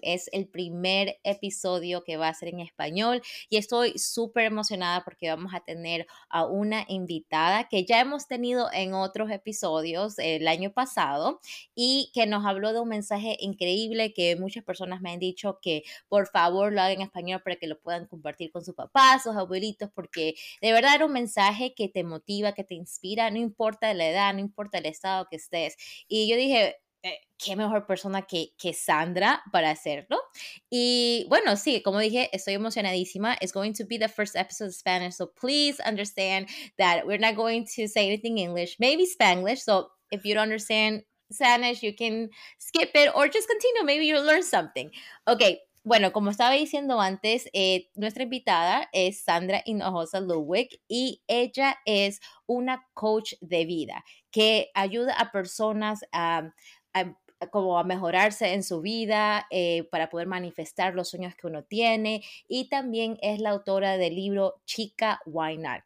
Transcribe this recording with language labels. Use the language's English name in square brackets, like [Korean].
[Spanish] Es el primer episodio que va a ser en español y estoy súper emocionada porque vamos a tener a una invitada que ya hemos tenido en otros episodios el año pasado y que nos habló de un mensaje increíble que muchas personas me han dicho que por favor lo hagan en español para que lo puedan compartir con sus papás, sus abuelitos, porque de verdad era un mensaje que te motiva, que te inspira, no importa la edad, no importa el estado que estés. Y yo dije, ¿qué mejor persona que Sandra para hacerlo? Y bueno, sí, como dije, estoy emocionadísima. [English] It's going to be the first episode of Spanish, so please understand that we're not going to say anything in English, maybe Spanglish. So if you don't understand Spanish, you can skip it or just continue. Maybe you'll learn something. Okay. [Spanish] Bueno, como estaba diciendo antes, nuestra invitada es Sadra Hinojosa-Ludwig y ella es una coach de vida que ayuda a personas a mejorarse en su vida para poder manifestar los sueños que uno tiene y también es la autora del libro Chica, Why Not?